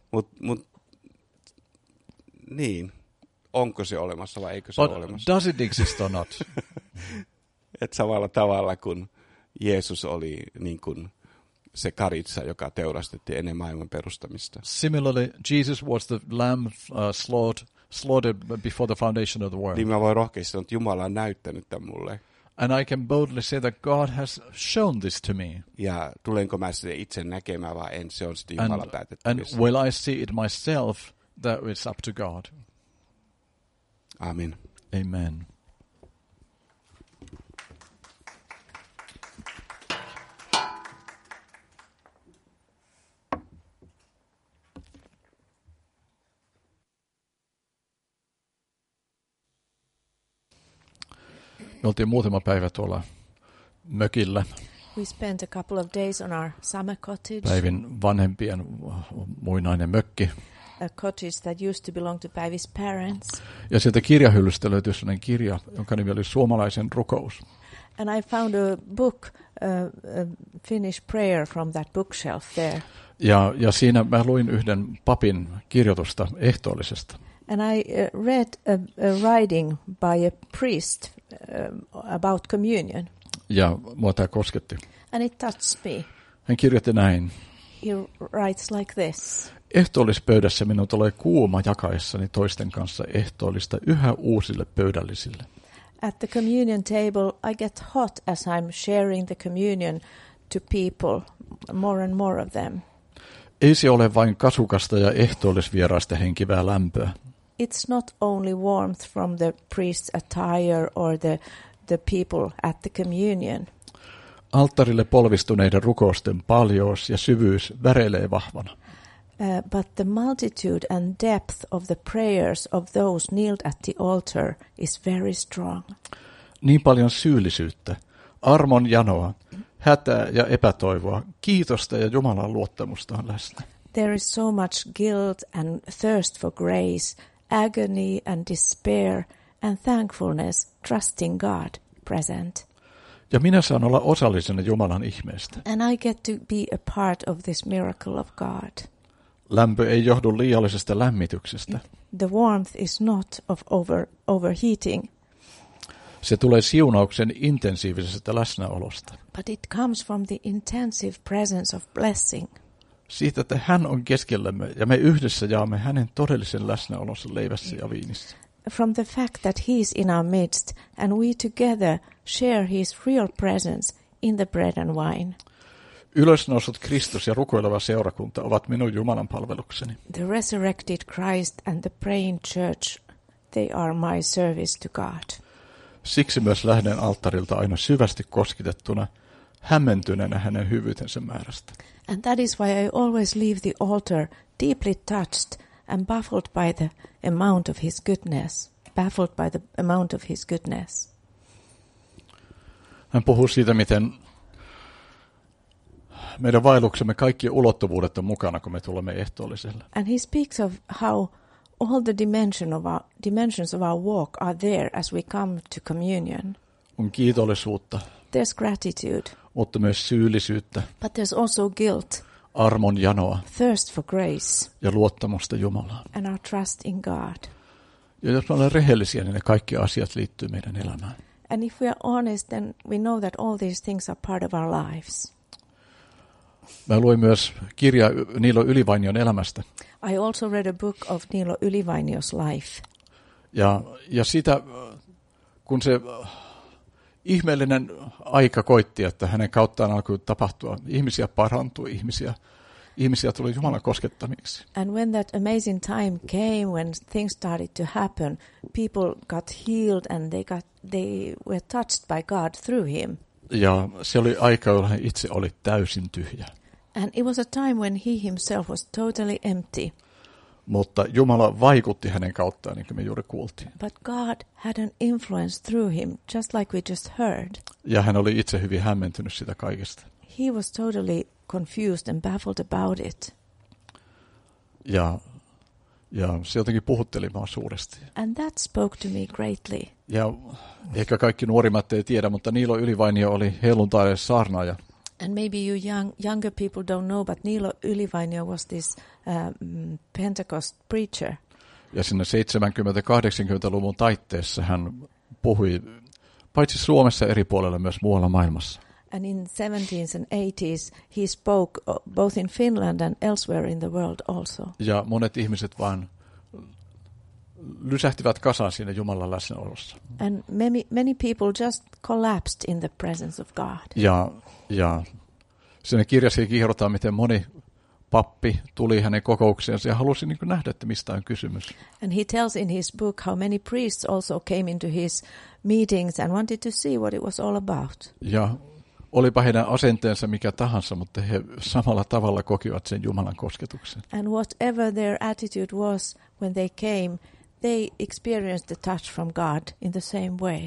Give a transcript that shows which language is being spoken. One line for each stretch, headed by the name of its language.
Finnish: Mut niin onko se olemassa vai eikö se ole olemassa.
English: Does it exist or not?
Finnish: Et samalla tavalla kuin Jeesus oli niin kuin se karitsa, joka teurastettiin ennen maailman perustamista.
English: Similarly, Jesus was the lamb slaughtered before the foundation of the world.
Finnish: Niin mä voin rohkeasti sanoa, että Jumala on näyttänyt tämän mulle.
English: And I can boldly say that God has shown this to me.
Finnish: Ja tulenko mä sitä itse näkemään vai en, se on sitten Jumala päätetty.
English: And will I see it myself, that it's up to God.
Finnish: Amen.
English: Amen.
Finnish: Me oltiin muutama päivä tuolla mökillä.
English: We spent a couple of days on our summer cottage.
Finnish: Päivin vanhempien muinainen mökki.
English: A cottage that used to belong to Päivi's parents.
Finnish: Ja sieltä kirjahyllystä löytyi sellainen kirja, jonka nimi oli Suomalaisen rukous.
English: And I found a book, a Finnish prayer from that bookshelf there.
Finnish: Ja siinä mä luin yhden papin kirjoitusta ehtoollisesta.
English: And I read a writing by a priest about communion.
Finnish: Ja mua tämä kosketti.
English: And it touched me.
Finnish: Hän kirjoitti näin.
English: He writes like this.
Finnish: Ehtoollispöydässä minun tulee kuuma jakaessani toisten kanssa ehtoollista yhä uusille pöydällisille.
English: At the communion table I get hot as I'm sharing the communion to people, more and more of them.
Finnish: Ei se ole vain kasukasta ja ehtoollisvieraista henkivää lämpöä.
English: It's not only warmth from the priest's attire or the people at the communion.
Finnish: Alttarille polvistuneiden rukousten paljous ja syvyys väreilee vahvana.
English: But the multitude and depth of the prayers of those kneeled at the altar is very strong.
Finnish: Niin paljon syyllisyyttä, armon janoa, hätää ja epätoivoa, kiitosta ja Jumalan luottamusta on läsnä.
English: There is so much guilt and thirst for grace, agony and despair and thankfulness, trusting God, present.
Finnish: Ja minä saan olla osallisena Jumalan ihmeestä.
English: And I get to be a part of this miracle of God.
Finnish: Lämpö ei johdu liiallisesta lämmityksestä.
English: The warmth is not of overheating.
Finnish: Se tulee siunauksen intensiivisestä läsnäolosta.
English: But it comes from the intensive presence of blessing.
Finnish: Siitä, että hän on keskellämme ja me yhdessä jaamme hänen todellisen läsnäolonsa leivässä ja viinissä.
English: From the fact that he is in our midst and we together share his real presence in the bread and wine.
Finnish: Ylösnoussut Kristus ja rukoileva seurakunta ovat minun Jumalan palvelukseni.
English: The resurrected Christ and the praying church, they are my service to God.
Finnish: Siksi myös lähden alttarilta aina syvästi koskitettuna, hämmentyneenä hänen hyvyytensä määrästä.
English: And that is why I always leave the altar deeply touched and baffled by the amount of his goodness. Baffled by the amount of his goodness.
Finnish: Hän puhuu siitä, miten meidän vaelluksemme kaikki ulottuvuudet on mukana, kun me tulemme ehtoolliselle.
English: And he speaks of how all the dimensions of our walk are there as we come to communion.
Finnish: On kiitollisuutta.
English: There's gratitude.
Finnish: Mutta myös syyllisyyttä.
English: But there's also guilt.
Finnish: Armon janoa.
English: Thirst for grace.
Finnish: Ja luottamusta Jumalaan.
English: And our trust in God.
Finnish: Ja jos me ollaan rehellisiä, niin ne kaikki asiat liittyy meidän elämään.
English: And if we are honest, then we know that all these things are part of our lives.
Finnish: Mä luin myös kirja Niilo Ylivainion elämästä.
English: I also read a book of Niilo Ylivainio's life.
Finnish: Ja sitä, kun se ihmeellinen aika koitti, että hänen kauttaan alkoi tapahtua. Ihmisiä parantui, ihmisiä tuli Jumalan koskettamiksi.
English: And when that amazing time came, when things started to happen, people got healed and they were touched by God through him.
Finnish: Ja se oli aika, jolloin hän itse oli täysin tyhjä.
English: And it was a time when he himself was totally empty.
Finnish: Mutta Jumala vaikutti hänen kauttaan, niin kuin me juuri kuultiin.
English: But God had an influence through him, just like we just heard.
Finnish: Ja hän oli itse hyvin hämmentynyt sitä kaikesta.
English: He was totally confused and baffled about it.
Finnish: Ja se jotenkin puhutteli vaan suuresti.
English: And that spoke to me greatly.
Finnish: Ja ehkä kaikki nuorimmat ei tiedä, mutta Niilo Ylivainio oli helluntaille saarnaaja.
English: And maybe you younger people don't know, but Niilo Ylivainio was this Pentecost preacher.
Finnish: Ja siinä 70-80-luvun taitteessa hän puhui paitsi Suomessa eri puolella myös muualla maailmassa.
English: And in 70s and 80s he spoke both in Finland and elsewhere in the world also.
Finnish: Ja monet ihmiset vaan lysähtivät kasaan siinä Jumalan läsnäolossa.
English: And many people just collapsed in the presence of God.
Finnish: Ja siinä kirjassa kerrotaan, miten moni pappi tuli hänen kokoukseensa ja halusi niin kuin nähdä, että mistä on kysymys.
English: And he tells in his book how many priests also came into his meetings and wanted to see what it was all about.
Finnish: Ja olipa heidän asenteensa mikä tahansa, mutta he samalla tavalla kokivat sen Jumalan kosketuksen.
English: And whatever their attitude was when they came, they experienced the touch from God in the same way.